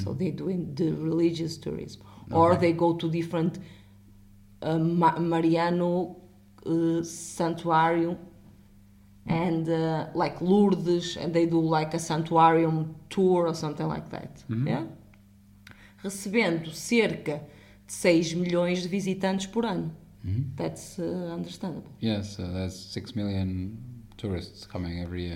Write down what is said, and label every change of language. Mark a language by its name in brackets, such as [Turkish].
[English] So they do the religious tourism. Okay. Or they go to different Mariano sanctuarium and like Lourdes, and they do like a sanctuarium tour or something like that. Mm-hmm. Yeah? [Portuguese] Recebendo cerca de 6 milhões de visitantes por ano. Mm-hmm. [English] That's understandable. Yes, so that's 6 million tourists coming every year.